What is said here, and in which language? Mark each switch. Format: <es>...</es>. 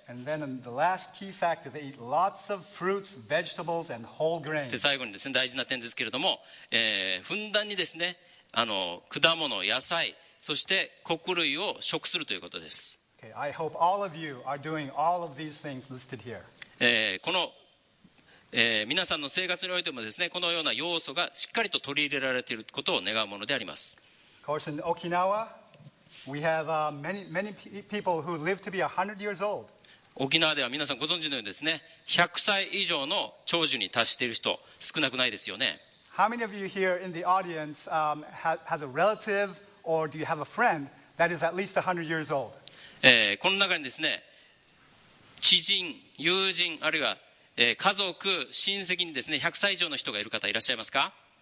<en>And then the last key factor, they eat lots of fruits, vegetables, and whole grains.</en> <ja>最後にですね、大事な点ですけれども、ふんだんにですね、果物、野菜、そして穀類を食するということです。</ja> <en>Okay, I hope all of you are doing all of these things listed here.</en> <ja>この皆さんの生活においてもですね、このような要素がしっかりと取り入れられていることを願うものであります。</ja> <en>Of course, in Okinawa, we have many, many people who live to be 100 years old.</en> <ja>沖縄では皆さんご存知のようにですね、100歳以上の長寿に達している人、少なくないですよね。</ja> <en>How many of you here in the audience has a relative or do you have a friend that is at least 100 years old?</en> <ja>この中にですね、知人、友人、あるいは家族、親戚にですね、100歳以上の人がいる方いらっしゃいますか？</ja>